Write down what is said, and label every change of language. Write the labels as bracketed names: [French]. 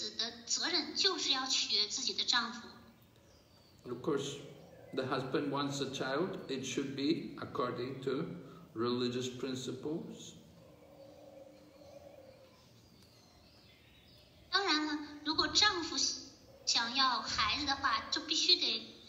[Chinese] 一位贞洁妻子的责任就是要取悦自己的丈夫。 [English] Of course, the husband wants a child, it should be according to religious principles. [Chinese] 当然了，如果丈夫想要孩子的话，就必须得。